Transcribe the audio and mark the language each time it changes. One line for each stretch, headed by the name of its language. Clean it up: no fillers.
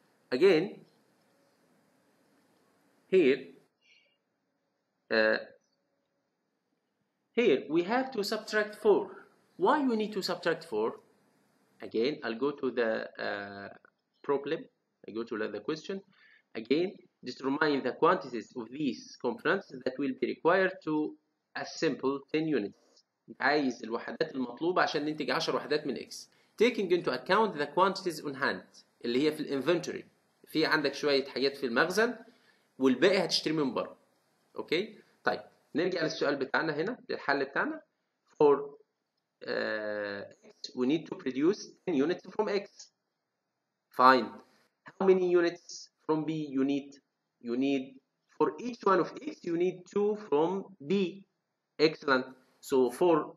English: Again, here we have to subtract 4. Why we need to subtract 4? Again, I'll go to the problem. I go to the question. Again, determine the quantities of these components that will be required to a simple 10 units.
Arabic: عايز الوحدات المطلوبة عشان ننتج 10 وحدات من X.
English: Taking into account the quantities on hand,
Arabic: اللي هي في الانفنتوري. في عندك شوية حاجات في المخزن والباقي هتشتري من بره. اوكي طيب نرجع للسؤال بتاعنا هنا للحل بتاعنا
English: for x we need to produce 10 units from x fine how many units from b you need for each one of x you need 2 from b excellent so for